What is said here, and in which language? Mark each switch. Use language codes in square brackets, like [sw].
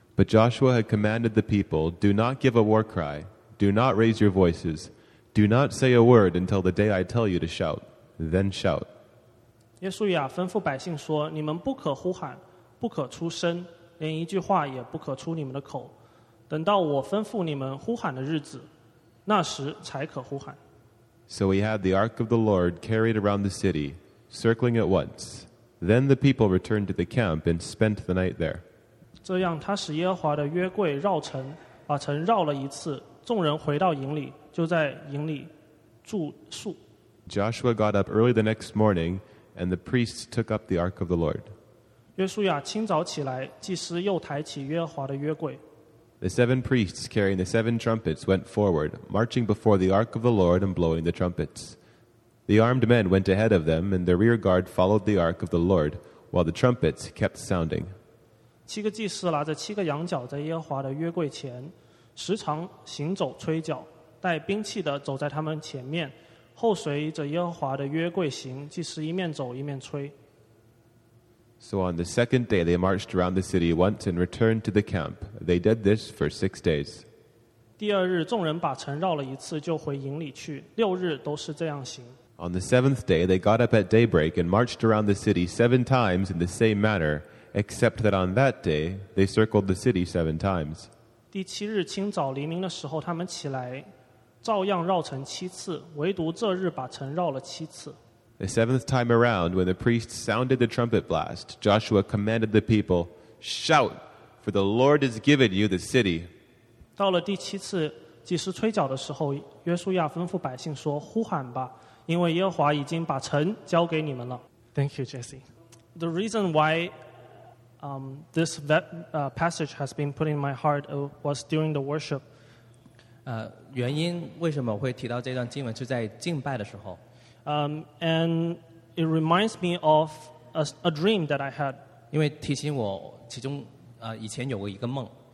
[en] But Joshua had commanded the people, "Do not give a war cry. Do not raise your voices. Do not say a word until the day I tell you to shout. Then shout." [zh] 耶稣亚吩咐百姓说：“你们不可呼喊，不可出声，连一句话也不可出你们的口。等到我吩咐你们呼喊的日子，那时才可呼喊。” [en] So he had the ark of the Lord carried around the city, circling it once. Then the people returned to the camp and spent the night there. [zh] 这样，他使耶和华的约柜绕城，把城绕了一次。众人回到营里，就在营里住宿。 [en] Joshua got up early the next morning, and the priests took up the ark of the Lord. [zh] 约书亚清早起来，祭司又抬起耶和华的约柜。 [en] The seven priests carrying the seven trumpets went forward, marching before the ark of the Lord and blowing the trumpets. The armed men went ahead of them, and their rear guard followed the ark of the Lord, while the trumpets kept sounding. [zh] 七个祭司拿着七个羊角在耶和华的约柜前，时常行走吹角，带兵器的走在他们前面，后随着耶和华的约柜行，祭司一面走一面吹。 [en] So on the second day, they marched around the city once and returned to the camp. They did this for 6 days. [zh] 第二日，众人把城绕了一次，就回营里去。六日都是这样行。 [en] On the seventh day, they got up at daybreak and marched around the city 7 times in the same manner, except that on that day, they circled the city 7 times. [zh] 第七日清早黎明的时候，他们起来，照样绕城7次，唯独这日把城绕了7次。 [en] The seventh time around, when the priests sounded the trumpet blast, Joshua commanded the people, "Shout, for the Lord has given you the city." [zh] 到了第七次，祭司吹角的时候，约书亚吩咐百姓说：“呼喊吧，因为耶和华已经把城交给你们了。” [en] Thank you, Jesse. The reason why this passage has been put in my heart was during the worship. [zh] 原因为什么会提到这段经文，是在敬拜的时候。 [en] And it reminds me of a dream that I had. [zh] 因为提醒我其中以前有过一个梦。